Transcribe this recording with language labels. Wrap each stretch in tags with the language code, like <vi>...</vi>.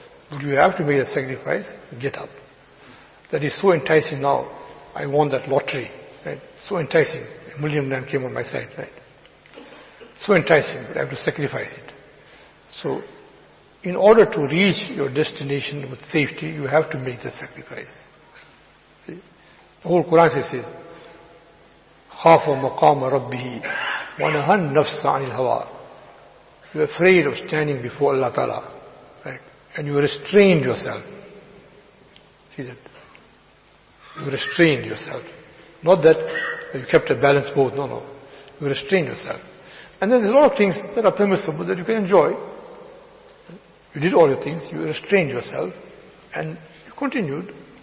<en>But you have to make a sacrifice, get up. That is so enticing now. I won that lottery, right? So enticing. A million men came on my side, right? So enticing, but I have to sacrifice it. So, in order to reach your destination with safety, you have to make the sacrifice. See? The whole Quran says,</en> <ar>خَافَ مَقَامَ رَبِّهِ وَنَهَنْ نَفْسَ عَنِ الْهَوَىٰ.</ar> <en>You are afraid of standing before Allah Ta'ala, right? And you restrained yourself. See that? You restrained yourself. Not that you kept a balanced boat, no. You restrained yourself. And then there's a lot of things that are permissible that you can enjoy. You did all your things, you restrained yourself, and you continued.</en>